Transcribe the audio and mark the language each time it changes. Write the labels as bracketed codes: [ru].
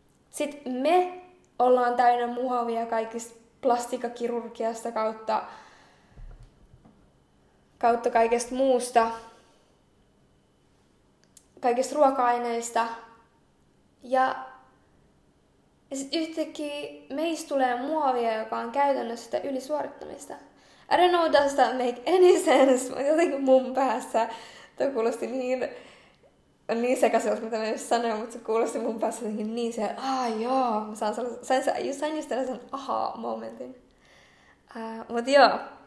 [fi] Sit me ollaan täynnä muovia kaikista plastikkakirurgiasta kautta kaikesta muusta. Kaikista ruoka-aineista. Ja sit yhtäkkiä meistä tulee muovia, joka on käytännössä sitä ylisuorittamista. [en] I don't know, does that make any sense? [fi] Mä jotenkin mun päässä. Tää kuulosti niin sekaisin, mitä mä just sanoin, mutta se kuulosti mun päässä jotenkin niin se, aah joo, sain just tällaisen aha-momentin. Mut joo.